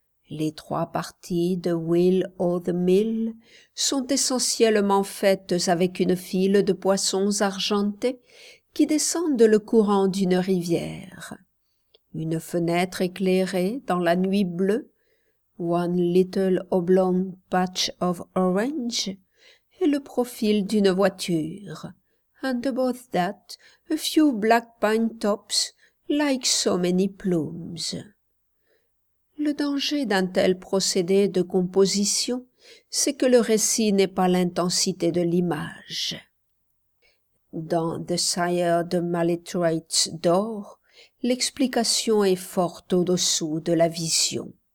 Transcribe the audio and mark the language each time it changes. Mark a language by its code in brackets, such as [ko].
[fr] Les trois parties de Will o' the Mill sont essentiellement faites avec une file de poissons argentés qui descendent le courant d'une rivière. Une fenêtre éclairée dans la nuit bleue, [en] One little oblong patch of orange, [fr] et le profil d'une voiture. [en] And above that, a few black pine tops, like so many plumes. [fr] Le danger d'un tel procédé de composition, c'est que le récit n'est pas l'intensité de l'image. Dans The Sire de Maletroit's Door, l'explication est forte au-dessous de la vision.